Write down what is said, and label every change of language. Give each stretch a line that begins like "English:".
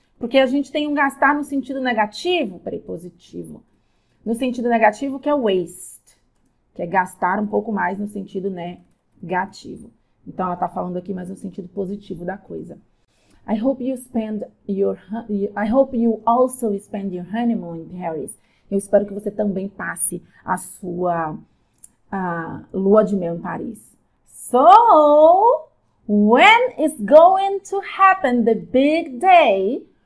Portuguese: Porque a gente tem um gastar no sentido negativo, peraí, positivo. No sentido negativo, que é waste, que é gastar um pouco mais no sentido negativo. Então ela tá falando aqui mais no sentido positivo da coisa.
English: I hope you also spend your honeymoon in Paris.
Portuguese: Eu espero que você também passe a sua lua de mel em Paris.
English: So, when is going to happen the big day?